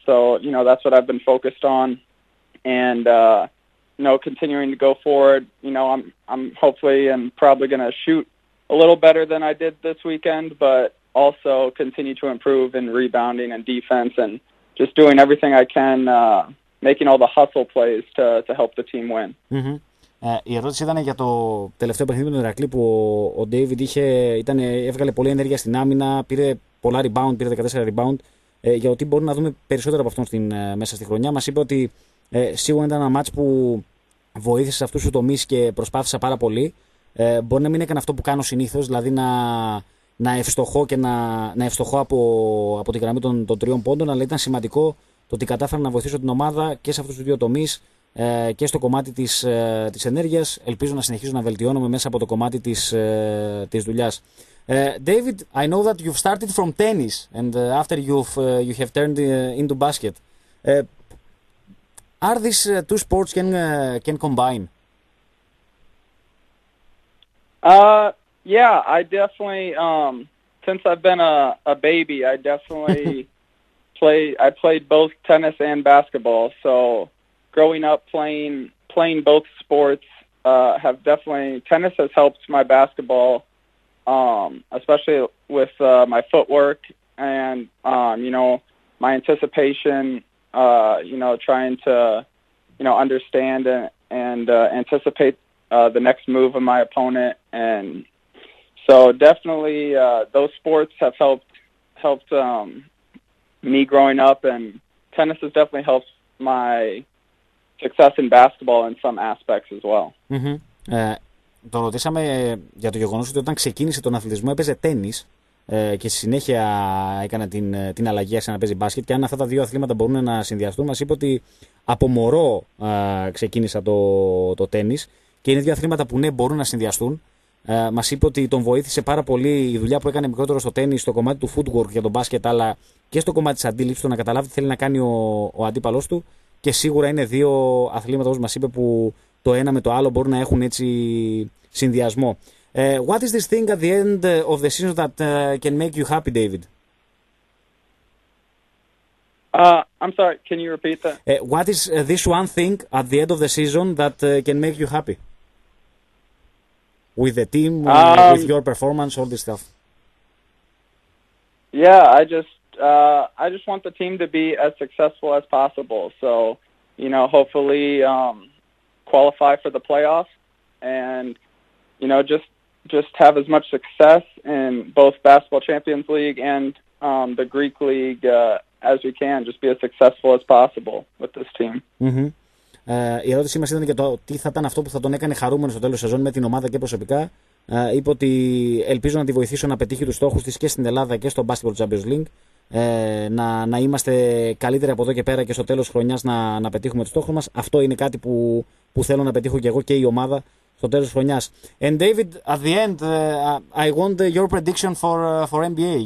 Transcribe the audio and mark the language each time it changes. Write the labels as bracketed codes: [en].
[en] So, you know, that's what I've been focused on. And, you know, continuing to go forward, you know, I'm hopefully and probably going to shoot a little better than I did this weekend, but also continue to improve in rebounding and defense and just doing everything I can, making all the hustle plays to help the team win. Mm-hmm. [el] Η ερώτηση ήταν για το τελευταίο παιχνίδι με τον Ηρακλή που ο David έβγαλε πολλή ενέργεια στην άμυνα, πήρε πολλά rebound, πήρε 14 rebound. Για το τι μπορούμε να δούμε περισσότερο από αυτόν μέσα στη χρονιά. Μας είπε ότι σίγουρα ήταν ένα match που βοήθησε σε αυτούς τους τομείς και προσπάθησε πάρα πολύ. Μπορεί να μην έκανε αυτό που κάνω συνήθως, δηλαδή να ευστοχώ και να ευστοχώ από τη γραμμή των τριών πόντων, αλλά ήταν σημαντικό το ότι κατάφερα να βοηθήσω την ομάδα και σε αυτούς τους δύο τομείς και στο κομμάτι της ενέργειας. Ελπίζω να συνεχίζω να βελτιώνομαι μέσα από το κομμάτι της δουλειάς. [en] David, I know that you've started from tennis and after you have turned into basket. Are these two sports can combine? Yeah, I definitely, since I've been a baby, I definitely played both tennis and basketball. So growing up playing both sports, have definitely, tennis has helped my basketball, especially with my footwork and, my anticipation, trying to, understand and anticipate the next move of my opponent. And so definitely those sports have helped me growing up, and tennis has definitely helped my success in basketball in some aspects as well. Mm-hmm. [el] Το ρωτήσαμε για το γεγονός ότι όταν ξεκίνησε τον αθλητισμό έπαιζε τέννις και στη συνέχεια έκανε την αλλαγή σε να παίζει μπάσκετ, και αν αυτά τα δύο αθλήματα μπορούν να συνδυαστούν. Μας είπε ότι από μωρό ξεκίνησα το τέννις και είναι δύο αθλήματα που ναι, μπορούν να συνδυαστούν. Μας είπε ότι τον βοήθησε πάρα πολύ η δουλειά που έκανε μικρότερο στο τέννις, στο κομμάτι του footwork για τον μπάσκετ, αλλά και στο κομμάτι της αντίληψης, το να καταλάβει τι θέλει να κάνει ο αντίπαλός του. Και σίγουρα είναι δύο αθλήματα, όπως μας είπε, που το ένα με το άλλο μπορούν να έχουν έτσι συνδυασμό. [en] What is this thing at the end of the season that can make you happy, David? I'm sorry, can you repeat that? What is this one thing at the end of the season that can make you happy? With the team, with your performance, all this stuff. Yeah, I just want the team to be as successful as possible. So, hopefully qualify for the playoffs and, just have as much success in both Basketball Champions League and the Greek League as we can. Just be as successful as possible with this team. Mm-hmm. [el] Η ερώτησή μας ήταν και το τι θα ήταν αυτό που θα τον έκανε χαρούμενο στο τέλος της σεζόν με την ομάδα και προσωπικά. Είπε ότι ελπίζω να τη βοηθήσω να πετύχει τους στόχους της και στην Ελλάδα και στο Basketball Champions League. Να είμαστε καλύτεροι από εδώ και πέρα και στο τέλος χρονιάς να πετύχουμε τους στόχους μας. Αυτό είναι κάτι που θέλω να πετύχω και εγώ και η ομάδα στο τέλος χρονιάς. [en] And David, at the end, I want your prediction for NBA.